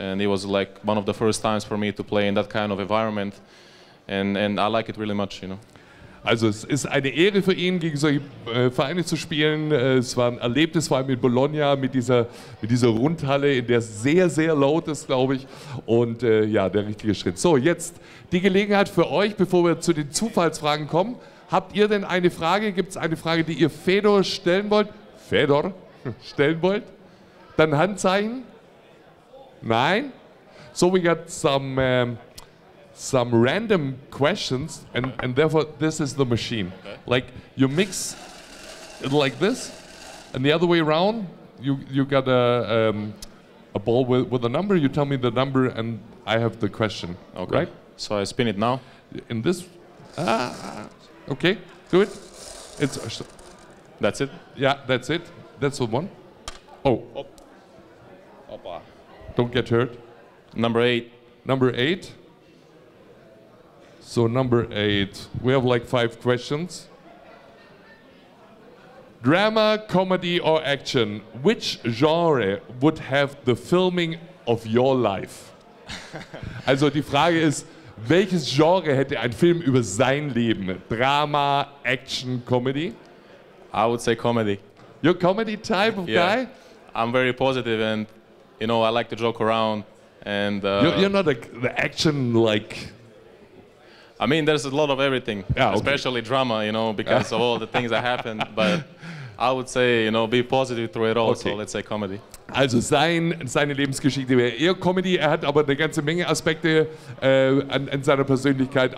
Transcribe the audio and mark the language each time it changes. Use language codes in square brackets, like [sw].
[en] And it was like one of the first times for me to play in that kind of environment. And I like it really much, you know. [de] Also es ist eine Ehre für ihn, gegen solche Vereine zu spielen. Es war ein Erlebnis, vor allem in Bologna, mit dieser Rundhalle, in der es sehr, sehr laut ist, glaube ich. Und ja, der richtige Schritt. So, jetzt die Gelegenheit für euch, bevor wir zu den Zufallsfragen kommen. Habt ihr denn eine Frage? Gibt es eine Frage, die ihr Fedor stellen wollt? Dann Handzeichen? Nein? [en] So, we got some random questions, and therefore this is the machine. Okay. Like you mix it like this, and the other way around, you got a ball with a number. You tell me the number, and I have the question. Okay. Right? So I spin it now. In this. Okay. Do it. It's. That's it. Yeah, that's it. That's the one. Oh. Opa. Don't get hurt. Number eight. Number eight. So number eight, we have like five questions. Drama, comedy, or action? Which genre would have the filming of your life? [de] Also die Frage ist, welches Genre hätte ein Film über sein Leben? [en] Drama, action, comedy? I would say comedy. You're a comedy type of guy? I'm very positive, and you know, I like to joke around. And you're not the action like. I mean, there's a lot of everything, especially drama, you know, because of all the things that happen. But I would say, you know, be positive through it all. Okay. So let's say comedy. [de] Also seine Lebensgeschichte wäre eher Comedy. Er hat aber eine ganze Menge Aspekte an seiner Persönlichkeit.